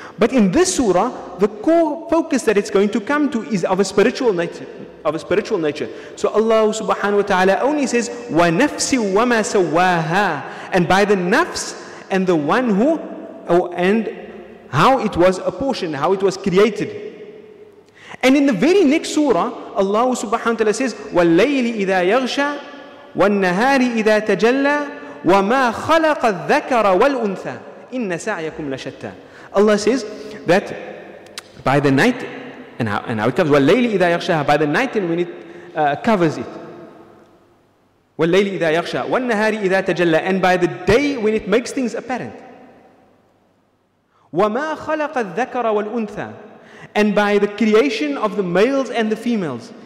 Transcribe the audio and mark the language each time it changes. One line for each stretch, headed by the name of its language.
English: But in this surah, the core focus that it's going to come to is of a spiritual nature. Of a spiritual nature. So Allah subhanahu wa ta'ala only says,
Arabic: wa nafsi wa ma sawaha.
English: And by the nafs and the one who, and how it was apportioned, how it was created. And in the very next surah, Allah subhanahu wa ta'ala says,
Arabic: وَاللَّيْلِ إِذَا يَغْشَى وَالنَّهَارِ إِذَا تَجَلَّى وَمَا خَلَقَ الذَّكَرَ وَالْأُنْثَى إِنَّ سَعْيَكُمْ لَشَتَّى.
English: Allah says that by the night, and how it comes,
Arabic: وَاللَّيْلِ إِذَا يَغْشَى,
English: by the night and when it covers it.
Arabic: وَاللَّيْلِ إِذَا يَغْشَى وَالنَّهَارِ إِذَا تَجَلَّى,
English: and by the day when it makes things apparent.
Arabic: وَمَا خَلَقَ الذَّكَرَ وَالْأُنْثَى,
English: and by the creation of the males and the females.